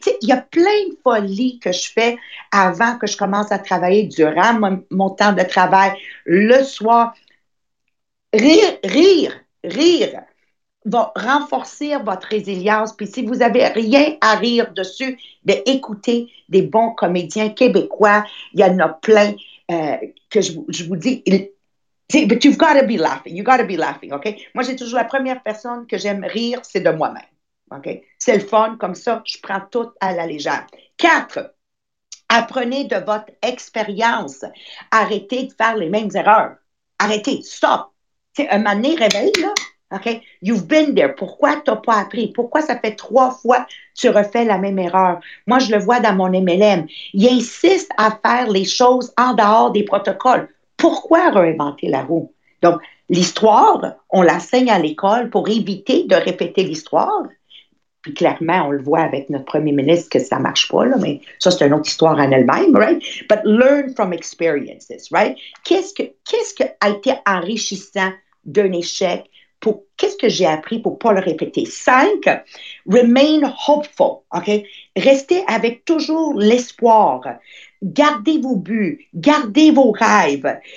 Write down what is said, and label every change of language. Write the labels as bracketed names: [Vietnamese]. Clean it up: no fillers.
[French] Tu sais, il y a plein de folies que je fais avant que je commence à travailler, durant mon temps de travail, le soir. Rire, rire, rire va renforcer votre résilience. Puis si vous avez rien à rire dessus, bien, écoutez des bons comédiens québécois. Il y en a plein que je vous dis. [English] But you've got to be laughing. You've got to be laughing, OK? [French] Moi, j'ai toujours la première personne que j'aime rire, c'est de moi-même, OK? C'est le fun, comme ça, je prends tout à la légère. Quatre, apprenez de votre expérience. Arrêtez de faire les mêmes erreurs. Arrêtez, stop. C'est un mané réveillé, là. [English] Okay? You've been there. [French] Pourquoi tu n'as pas appris? Pourquoi ça fait trois fois que tu refais la même erreur? Moi, je le vois dans mon MLM. Il insiste à faire les choses en dehors des protocoles. Pourquoi réinventer la roue? Donc, l'histoire, on l'enseigne à l'école pour éviter de répéter l'histoire. Puis clairement, on le voit avec notre premier ministre que ça ne marche pas, là, mais ça, c'est une autre histoire en elle-même, right? [English] But learn from experiences, right? [French] Qu'est-ce que a été enrichissant d'un échec? Qu'est-ce que j'ai appris pour ne pas le répéter? 5, [English] remain hopeful, OK? [French] Restez avec toujours l'espoir. Gardez vos buts, gardez vos rêves.